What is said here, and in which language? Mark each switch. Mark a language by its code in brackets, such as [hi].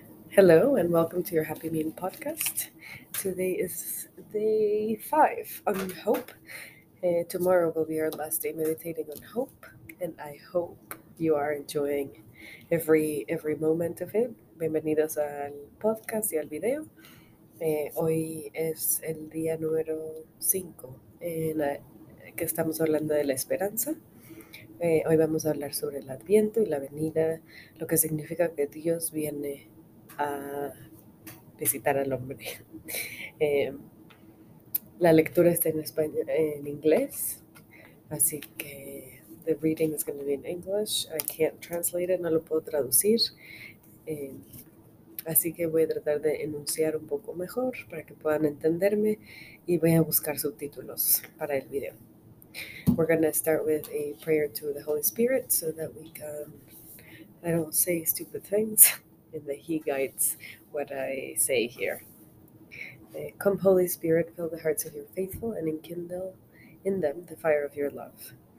[en] Hello and welcome to your Happy Mean Podcast. Today is day 5 on hope. Tomorrow will be our last day meditating on hope, and I hope you are enjoying every moment of it. [es] Bienvenidos al podcast y al video. Hoy es el día número 5 en que estamos hablando de la esperanza. Hoy vamos a hablar sobre el Adviento y la venida, lo que significa que Dios viene a visitar al hombre. La lectura está en español, en inglés, así que [en] the reading is going to be in English. I can't translate it, [es] no lo puedo traducir. Así que voy a tratar de enunciar un poco mejor para que puedan entenderme y voy a buscar subtítulos para el video. [en] We're going to start with a prayer to the Holy Spirit so that we can, I don't say stupid things, and that he guides what I say here. Come, Holy Spirit, fill the hearts of your faithful and enkindle in them the fire of your love.